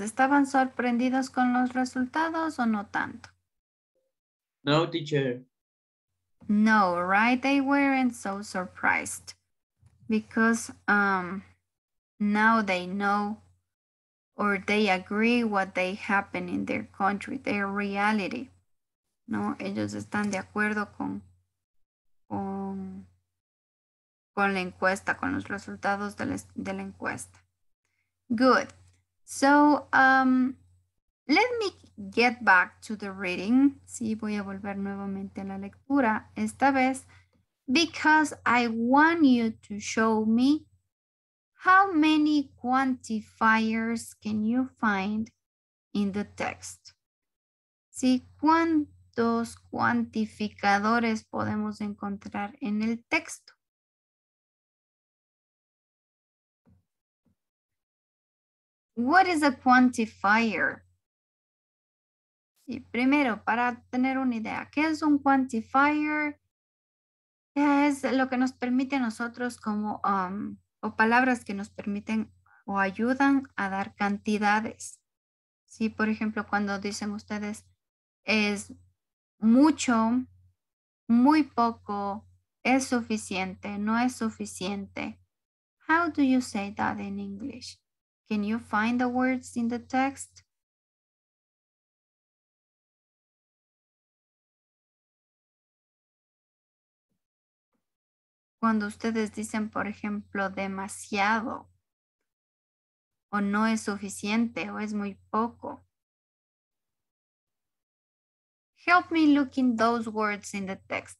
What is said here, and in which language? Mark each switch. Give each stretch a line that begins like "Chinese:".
Spanish: ¿Estaban sorprendidos con los resultados o no tanto?
English: No, teacher. No, right? They weren't so surprised because now they know or they agree what they happen in their country, their reality.
Spanish: No, ellos están de acuerdo con la encuesta, con los resultados de la encuesta.
English: Good. So let me get back to the reading.
Spanish: Sí, voy a volver nuevamente a la lectura esta vez,
English: because I want you to show me how many quantifiers can you find in the text.
Spanish: Sí, ¿cuántos cuantificadores podemos encontrar en el texto?
English: What is a quantifier?
Spanish: Sí, primero, para tener una idea, ¿qué es un quantifier? Es lo que nos permite a nosotros como, o palabras que nos permiten o ayudan a dar cantidades. Sí, por ejemplo, cuando dicen ustedes, es mucho, muy poco, es suficiente, no es suficiente.
English: How do you say that in English? Can you find the words in the text?
Spanish: Cuando ustedes dicen, por ejemplo, demasiado, o no es suficiente, o es muy poco.
English: Help me look in those words in the text.